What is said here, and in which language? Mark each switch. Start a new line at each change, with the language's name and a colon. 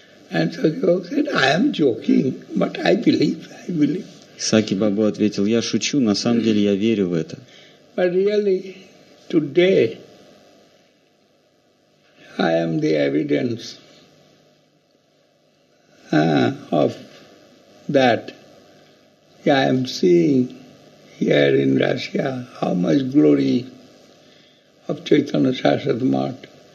English: And Saki Babu said, I am joking, but I believe.
Russian: Саки Бабу ответил, я шучу, на самом деле я верю в это.
English: But really, today, I am the evidence of that. I am seeing here in Russia how much glory of Chaitanya Sarasvati Mat.